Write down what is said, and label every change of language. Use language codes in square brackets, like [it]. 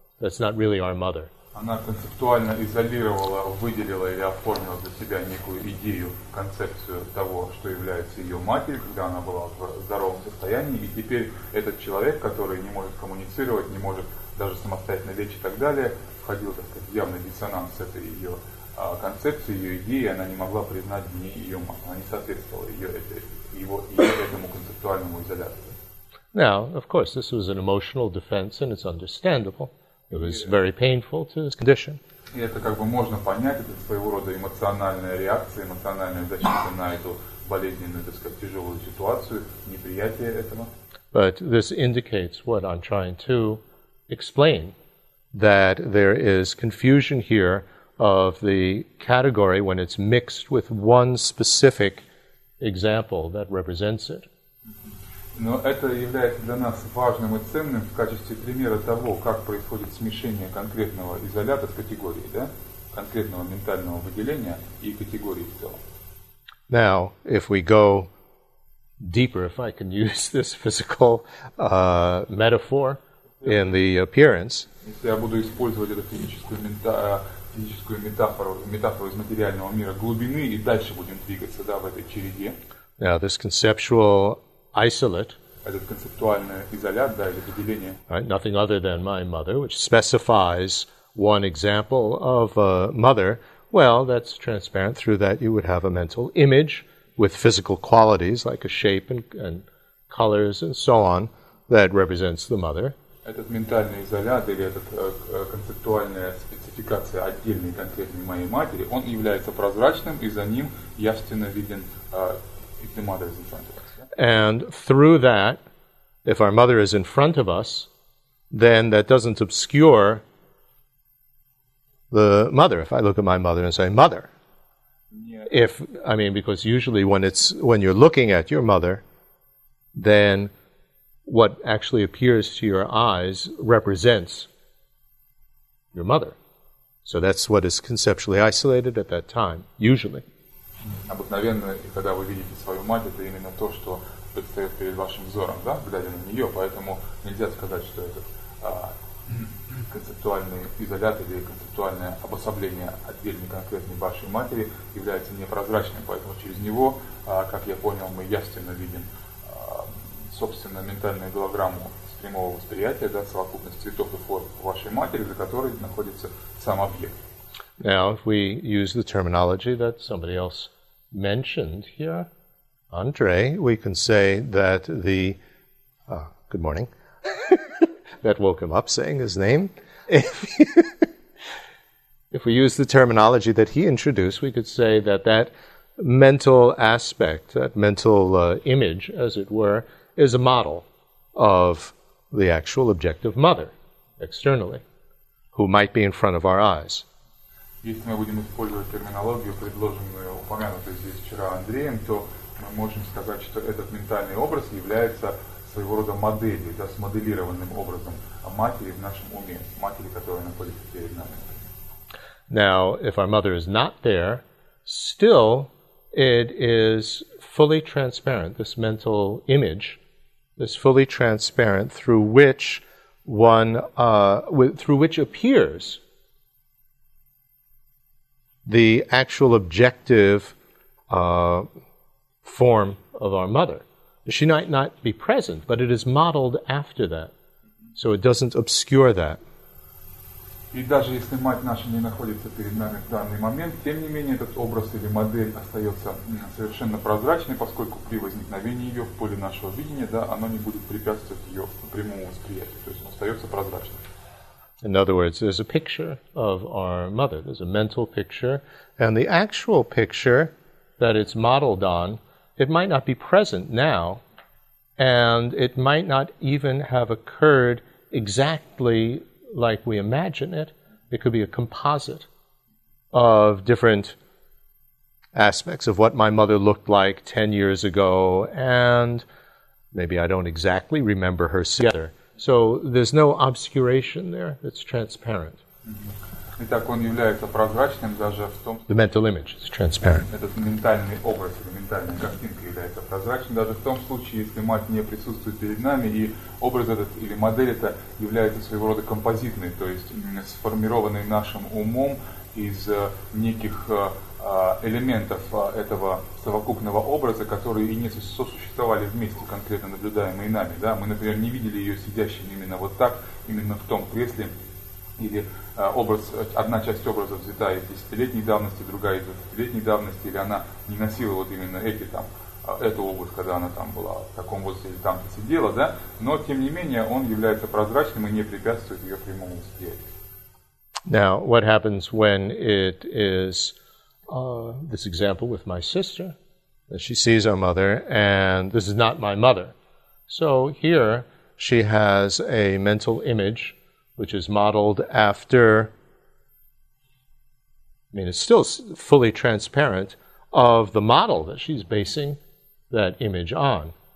[en] That's not really our mother. [ru] Она концептуально изолировала, выделила или оформила для себя некую идею, концепцию того, что является ее матерью, когда она была в здоровом состоянии, и теперь этот человек, который не может коммуницировать, не может даже самостоятельно лечь и так далее, входил, так сказать, в явный диссонанс с этой ее концепцией, ее идеей, она не могла признать в ней ее мать, она не соответствовала этому концептуальному изоляции. [en] Now, of course, this was an emotional defense, and it's understandable. It was very painful to his condition. [ru] И это как бы можно понять, это своего рода эмоциональная реакция, эмоциональная защита на эту болезненную, так сказать, тяжелую ситуацию, неприятие этого. [en] But this indicates what I'm trying to explain, that there is confusion here of the category when it's mixed with one specific example that represents it. [ru] Но это является для нас важным и ценным в качестве примера того, как происходит смешение конкретного изолята с категорией, да? Конкретного ментального выделения и категории в целом. [en] Now, if we go deeper, if I can use this physical metaphor in the appearance. [ru] Если я буду использовать эту физическую метафору, метафору из материального мира глубины, и дальше будем двигаться, да, в этой череде. [en] Now, this conceptual isolate. [ru] Этот концептуальный изолят, да, или выделение. [en] Right, nothing other than my mother, which specifies one example of a mother. Well, that's transparent. Through that, you would have a mental image with physical qualities like a shape and colors and so on that represents the mother. [ru] Этот ментальный изолят или этот концептуальная спецификация отдельной конкретной моей матери, он является прозрачным, и за ним явственно виден [en] the mother is in front of us. And through that, if our mother is in front of us, then that doesn't obscure the mother. If I look at my mother and say, mother. If, I mean, because usually when you're looking at your mother, then what actually appears to your eyes represents your mother. So that's what is conceptually isolated at that time, usually. [ru] Обыкновенно, когда вы видите свою мать, это именно то, что предстает перед вашим взором, да, глядя на нее. Поэтому нельзя сказать, что этот концептуальный изолят или концептуальное обособление отдельной конкретной вашей матери является непрозрачным. Поэтому через него, как я понял, мы явственно видим собственно ментальную голограмму с прямого восприятия, да, совокупность цветов и форм вашей матери, за которой находится сам объект. [en] Now, if we use the terminology that somebody else mentioned here, Andre, we can say that the... good morning. That woke him up saying his name. If we use the terminology that he introduced, we could say that that mental aspect, that mental image, as it were, is a model of the actual objective mother, externally, who might be in front of our eyes. [ru] Если мы будем использовать терминологию, предложенную, упомянутую здесь вчера Андреем, то мы можем сказать, что этот ментальный образ является своего рода моделью, да, смоделированным образом матери в нашем уме, матери, которая находится перед нами. [en] Now, if our mother is not there, still it is fully transparent, this mental image is fully transparent through which one, through which appears the actual objective form of our mother. She might not be present, but it is modeled after that. So it doesn't obscure that. [ru] И даже если мать наша не находится перед нами в данный момент, тем не менее этот образ или модель остается совершенно прозрачной, поскольку при возникновении ее в поле нашего видения, да, оно не будет препятствовать ее прямому восприятию. То есть остается прозрачным. [en] In other words, there's a picture of our mother. There's a mental picture. And the actual picture that it's modeled on, it might not be present now, and it might not even have occurred exactly like we imagine it. It could be a composite of different aspects of what my mother looked like 10 years ago, and maybe I don't exactly remember her sister. So there's no obscuration there, it's transparent. [ru] Итак, он является прозрачным даже в том... [en] The mental image is transparent. [ru] Этот ментальный образ или ментальная картинка является прозрачным даже в том случае, если мать не присутствует перед нами, и образ этот или модель это является своего рода композитной, то есть сформированной нашим умом из неких элементов этого совокупного образа, которые и не сосуществовали вместе, конкретно наблюдаемые нами. Да? Мы, например, не видели ее сидящим именно вот так, именно в том кресле, или образ, одна часть образа взята из 10-летней давности, другая из 20-летней давности, или она не носила вот именно эти там, эту обувь, когда она там была в таком возрасте или там-то сидела, да? Но, тем не менее, он является прозрачным и не препятствует ее прямому восприятию. [en] Now, what happens when it is this example with my sister, that she sees our mother, and this is not my mother. So here she has a mental image which is modeled after, I mean, it's still fully transparent of the model that she's basing that image on.